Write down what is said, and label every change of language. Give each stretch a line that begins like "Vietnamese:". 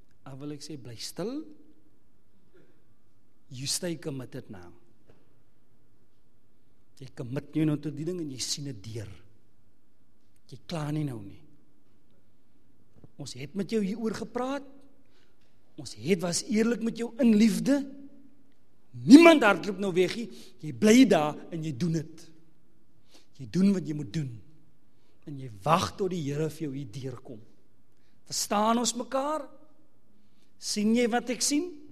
Afrikaans: Al wil ek sê, bly stil.
English: You stay committed now.
Afrikaans: Jy commit jou nou tot die ding en jy sien het deur. Jy klaar nie nou nie. Ons het met jou hier oor gepraat. Ons het was eerlik met jou in liefde. Niemand hardloop nou weg, jy bly daar en jy doen het. Jy doen wat jy moet doen. En jy wacht tot die Here vir jou hier deurkom. Verstaan ons mekaar? Sien jy wat ek sien?